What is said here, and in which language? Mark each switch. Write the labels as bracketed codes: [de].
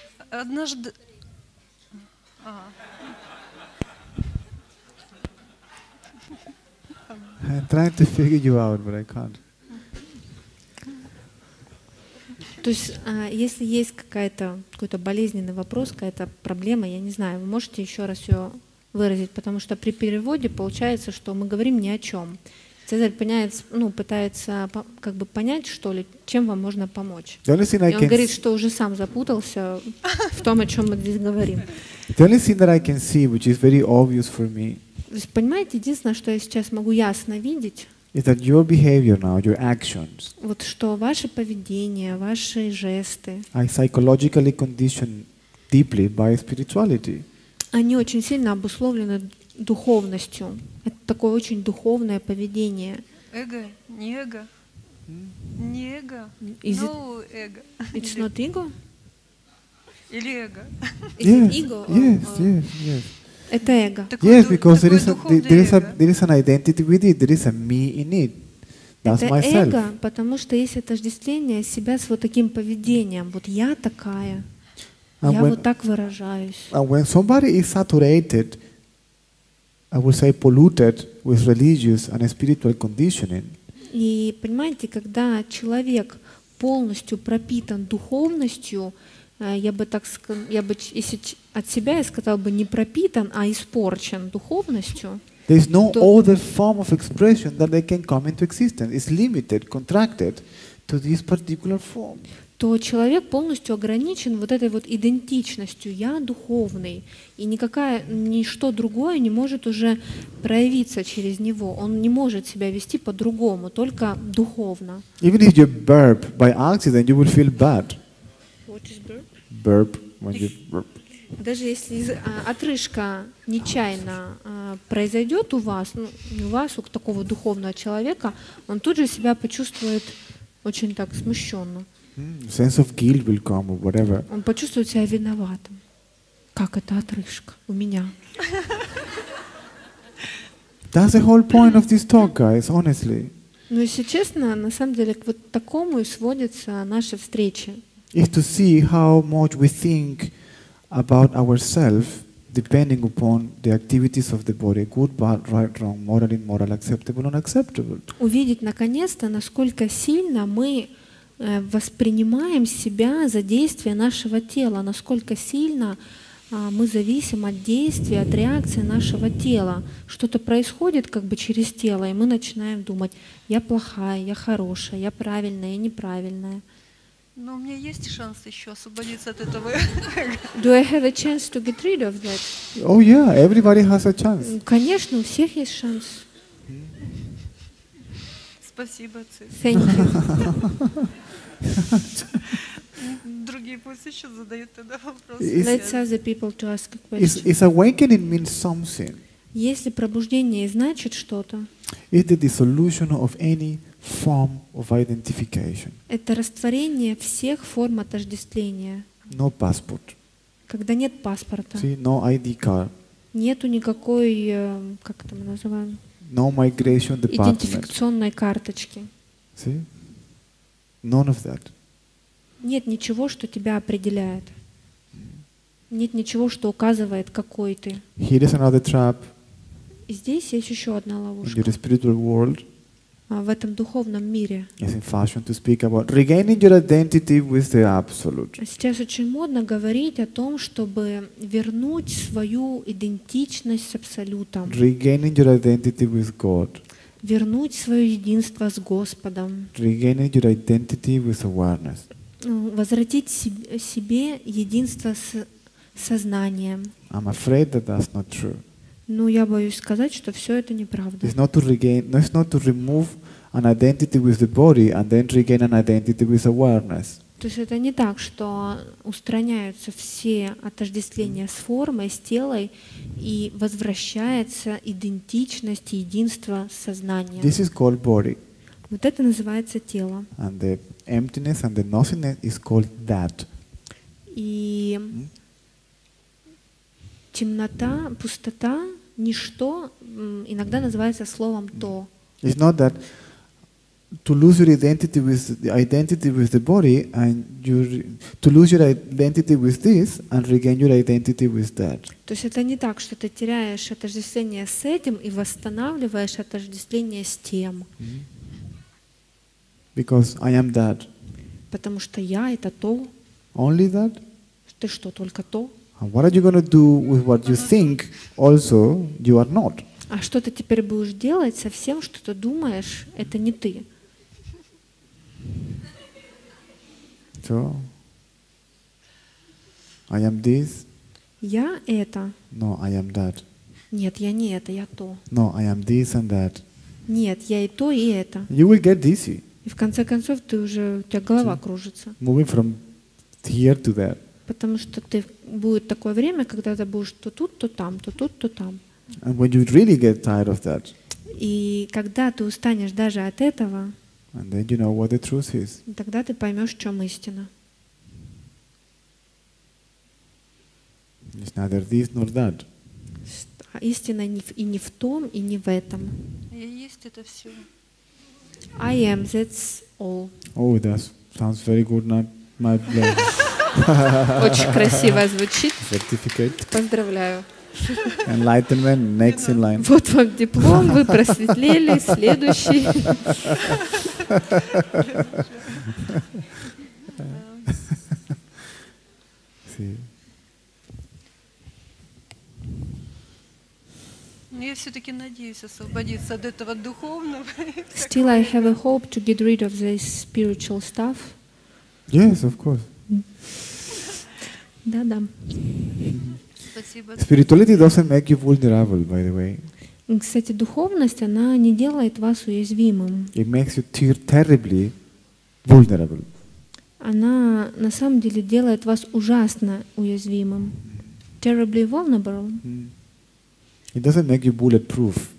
[ru] Однажды... [en] I'm trying to figure you out, but I can't. [ru] То есть, если есть какой-то болезненный вопрос, какая-то проблема, я не знаю, вы можете еще раз ее выразить, потому что при переводе получается, что мы говорим ни о чем. Цезарь пытается как бы понять, что ли, чем вам можно помочь. [en] The only thing I can... [ru] Он говорит, что уже сам запутался в том, о чем мы здесь говорим. [en] The only thing that I can see, which is very obvious for me. [ru] То есть, понимаете, единственное, что я сейчас могу ясно видеть. [en] Is that your behavior now, your actions? [ru] Вот что ваше поведение, ваши жесты. [en] I psychologically conditioned deeply by spirituality. [ru] Они очень сильно обусловлены духовностью. Это такое очень духовное поведение. Эго, не эго, не эго. [en] Is no ego. It's not ego. [ru] Или эго. [en] Is yes. It ego? Yes, yes, yes. [ru] Это эго. [en] Yes, because there is an identity with it. There is a me in it. That's [ru] это [en] myself. [ru] Эго, потому что есть отождествление себя с вот таким поведением. Вот я такая. [en] And [ru] я [en] when, [ru] вот так выражаюсь. [en] And when somebody is saturated, I would say polluted with religious and spiritual conditioning. [ru] И понимаете, когда человек полностью пропитан духовностью, я бы не пропитан, а испорчен духовностью. [en] There is no other form of expression that they can come into existence. It's limited, contracted to this particular form. [ru] То человек полностью ограничен вот этой вот идентичностью. Я духовный, и никакое ничто другое не может уже проявиться через него. Он не может себя вести по-другому, только духовно. [en] Even if you burp by accident, you will feel bad. What is burp? Burp, when you burp. [ru] Даже если отрыжка нечаянно произойдет у вас, ну, не у вас, у такого духовного человека, он тут же себя почувствует очень так смущенно. [en] Sense of guilt will come, or whatever. [ru] Он почувствует себя виноватым. Как это отрыжка у меня? [en] That's the whole point of this talk, guys, honestly. [ru] Ну, если честно, на самом деле, к вот такому и сводятся наши встречи. [en] Is to see how much we think about ourselves depending upon the activities of the body, good, bad, right, wrong, moral, immoral, acceptable, unacceptable. [ru] Увидеть наконец-то, насколько сильно мы воспринимаем себя за действия нашего тела, насколько сильно мы зависим от действия, от реакции нашего тела. Что-то происходит как бы через тело, и мы начинаем думать, я плохая, я хорошая, я правильная, я неправильная. Но у меня есть шанс еще освободиться от этого. [en] Do I have a chance to get rid of that? Oh yeah, everybody has a chance. [ru] Конечно, у всех есть шанс. Спасибо, Цезарь. [en] Thank you. [ru] Другие пусть еще задают тогда вопросы. [en] Is awakening means something? [ru] Если пробуждение значит что-то, [en] it is the dissolution of any form of identification. [ru] Это растворение всех форм отождествления. [en] No passport. [ru] Когда нет паспорта. [en] See, no ID card. [ru] Нету никакой, как это мы называем? [en] No migration department. [ru] Идентификационной карточки. [en] See? None of that. [ru] Нет ничего, что тебя определяет. Нет ничего, что указывает, какой ты. [en] Here is another trap. [ru] И здесь есть еще одна ловушка. [en] In the spiritual world. [ru] В этом духовном мире. [en] It's in fashion to speak about regaining your identity with the absolute. [ru] Сейчас очень модно говорить о том, чтобы вернуть свою идентичность с абсолютом. [en] Regaining your identity with God. [ru] Вернуть свое единство с Господом. [en] Regaining your identity with awareness. [ru] Возвратить себе единство с сознанием. [en] I'm afraid that that's not true. [ru] Но я боюсь сказать, что все это неправда. [en] It's not to regain, no, it's not to remove an identity with the body and then regain an identity with awareness. [ru] То есть это не так, что устраняются все отождествления с формой, с телом, и возвращается идентичность и единство с сознанием. [en] This is called body. [ru] Вот это называется тело. [en] And the emptiness and the nothingness is called that. [ru] И темнота, пустота, ничто иногда называется словом то. [en] It's not that to lose your identity with the body and to lose your identity with this and regain your identity with that. [ru] То есть это не так, что ты теряешь отождествление с этим и восстанавливаешь отождествление с тем. [en] Because I am that. [ru] Потому что я это то. [en] Only that? [ru] Ты что, только то? [en] And what are you going to do with what you think also you are not? [ru] А что ты теперь будешь делать со всем, что ты думаешь, это не ты? [en] So, I am this. [ru] Я это. [en] No, I am that. [ru] Нет, я не это, я то. [en] No, I am this and that. [ru] Нет, я и то, и это. [en] You will get dizzy. [ru] И в конце концов ты уже, у тебя голова [en] so, [ru] кружится. [en] Moving from here to there. [ru] Потому что ты, будет такое время, когда ты будешь то тут, то там, то тут, то там. [en] And when you really get tired of that, [ru] и когда ты устанешь даже от этого, [en] and then you know what the truth is. [ru] Тогда ты поймешь, в чем истина. [en] It's neither this nor that. [ru] Истина и не в том, и не в этом. Я есть это все. [en] I am, that's all. Oh, that sounds very good, not my blood. [ru] Очень красиво звучит. [en] Certificate. [ru] Поздравляю. [en] Enlightenment, next in line. [ru] Вот вам диплом, вы просветлели, следующий. Я все-таки надеюсь освободиться от этого духовного. [en] Still I have a hope to get rid of this spiritual stuff. Yes, of course. [ru] Да-да. Спасибо. [en] Spirituality doesn't make you vulnerable, by the way. Кстати, духовность, она не делает вас уязвимым. It makes you terribly vulnerable. Она на самом деле делает вас ужасно уязвимым. Terribly vulnerable. It doesn't make you bulletproof.